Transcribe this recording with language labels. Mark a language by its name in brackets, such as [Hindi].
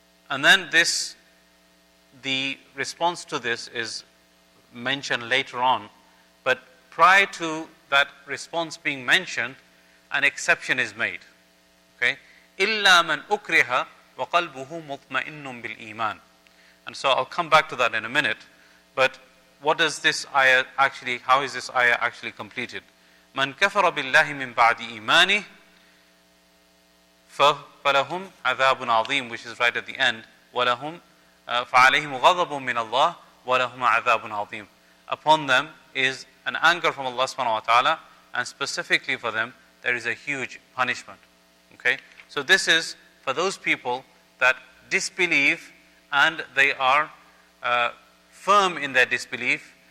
[English] And then the response to this is mentioned later on, but prior to that response being mentioned, an exception is made. Okay? [Arabic] إِلَّا مَنْ أُكْرِهَ وَقَلْبُهُ مُطْمَئِنٌّ بِالْإِيمَانِ. [English] And so I'll come back to that in a minute. But what does this ayah actually, how is this ayah actually completed? [Arabic] مَنْ كَفَرَ بِاللَّهِ مِنْ بَعْدِ إِيمَانِهِ فَلَهُمْ عَذَابٌ عَظِيمٌ, [English] which is right at the end. [Arabic] وَلَهُمْ فَعَلَيْهِمْ غَضَبٌ مِّنَ اللَّهِ وَلَهُمْ عَذَابٌ عَظِيمٌ. [English] Upon them is an anger from Allah subhanahu wa ta'ala, and specifically for them, there is a huge punishment. Okay? So this is for those people that disbelieve and they are firm in their disbelief.